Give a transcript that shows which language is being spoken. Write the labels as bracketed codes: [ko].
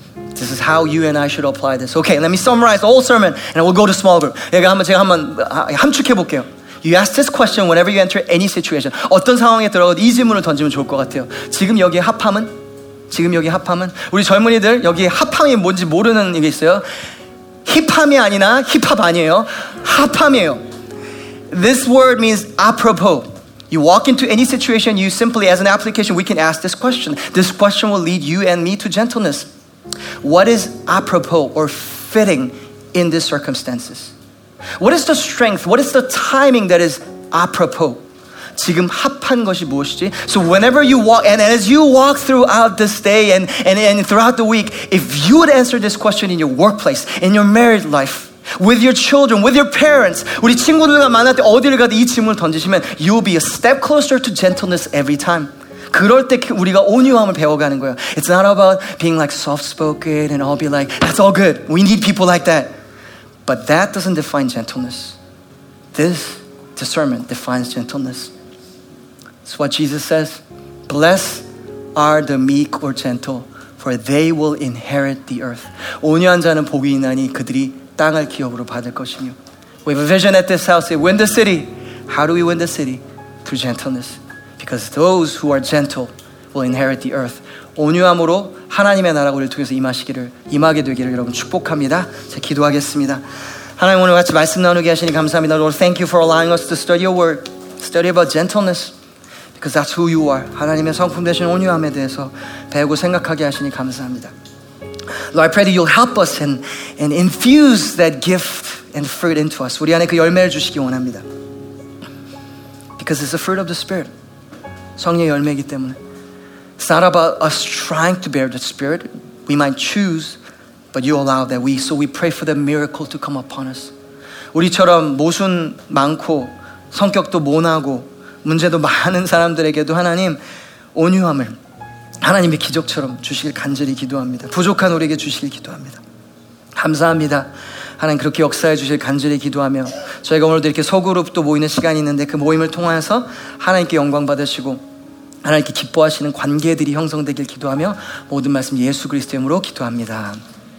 [en] This is how you and I should apply this. Okay, let me summarize the whole sermon and we'll go to small group. [ko] 제가 한번 함축해볼게요. [en] You ask this question whenever you enter any situation. [ko] 어떤 상황에 들어가도 이 질문을 던지면 좋을 것 같아요. 지금 여기 합함은? 지금 여기 합함은? 우리 젊은이들 여기 합함이 뭔지 모르는 게 있어요. 힙함이 아니나 힙합 아니에요. 합함이에요. [en] This word means apropos. You walk into any situation, you simply, as an application, we can ask this question. This question will lead you and me to gentleness. What is apropos or fitting in these circumstances? What is the strength? What is the timing that is apropos? [ko] 지금 합한 것이 무엇이지? [en] So whenever you walk, and as you walk throughout this day and throughout the week, if you would answer this question in your workplace, in your married life, with your children, with your parents, [ko] 우리 친구들과 만날 때 어디를 가도 이 질문을 던지시면 [en] you'll be a step closer to gentleness every time. [ko] 그럴 때 우리가 온유함을 배워가는 거예요. [en] It's not about being like soft-spoken and I'll be like, that's all good. We need people like that. But that doesn't define gentleness. This discernment defines gentleness. It's what Jesus says. Blessed are the meek or gentle, for they will inherit the earth. [ko] 온유한 자는 복이 있나니 그들이 땅을 기업으로 받을 것이며. [en] We have a vision at this house. We win the city. How do we win the city? Through gentleness. Because those who are gentle will inherit the earth. [ko] 온유함으로 하나님의 나라가 우리를 통해서 임하시기를, 임하게 되기를 여러분 축복합니다. 제가 기도하겠습니다. 하나님 오늘 같이 말씀 나누게 하시니 감사합니다. [en] Lord, thank you for allowing us to study your word. Study about gentleness. Because that's who you are. [ko] 하나님의 성품 되신 온유함에 대해서 배우고 생각하게 하시니 감사합니다. [en] Lord, I pray that you'll help us and infuse that gift and fruit into us. [ko] 우리 안에 그 열매를 주시기 원합니다. [en] Because it's the fruit of the Spirit. [ko] 성령의 열매이기 때문에. [en] It's not about us trying to bear the Spirit. We might choose, but you allow that. So we pray for the miracle to come upon us. [ko] 우리처럼 모순 많고 성격도 모나고 문제도 많은 사람들에게도 하나님 온유함을 하나님의 기적처럼 주시길 간절히 기도합니다. 부족한 우리에게 주시길 기도합니다. 감사합니다. 하나님 그렇게 역사해 주실 간절히 기도하며 저희가 오늘도 이렇게 소그룹도 모이는 시간이 있는데 그 모임을 통해서 하나님께 영광 받으시고 하나님께 기뻐하시는 관계들이 형성되길 기도하며 모든 말씀 예수 그리스도 이름으로 기도합니다.